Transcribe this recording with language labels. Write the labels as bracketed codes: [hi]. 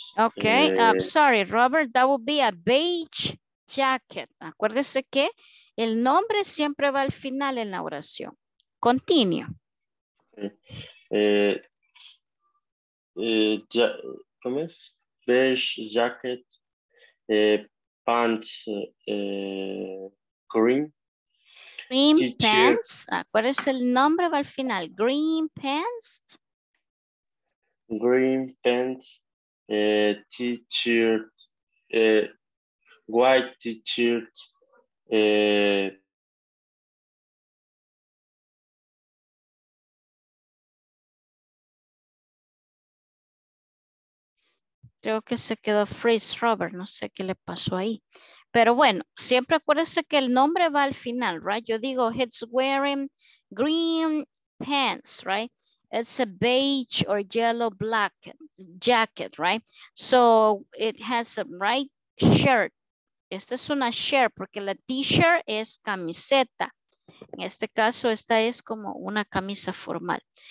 [en] Okay, I'm sorry, Robert, that would be a beige jacket. [es] Acuérdese que el nombre siempre va al final en la oración. [en] Continue. [es] ¿Cómo es? [en] Beige jacket, pants green, Green pants. [es] ¿Cuál es el nombre al final? [en] Green pants. Green pants. T-shirt. White t-shirt. [es] Creo que se quedó freeze, Robert. No sé qué le pasó ahí. Pero bueno, siempre acuérdese que el nombre va al final, [en] right? Yo digo, he's wearing green pants, right? It's a beige or yellow black jacket, right? So it has a right shirt. [es] Esta es una [en] shirt [es] porque la t-shirt es camiseta. En este caso, esta es como una camisa formal.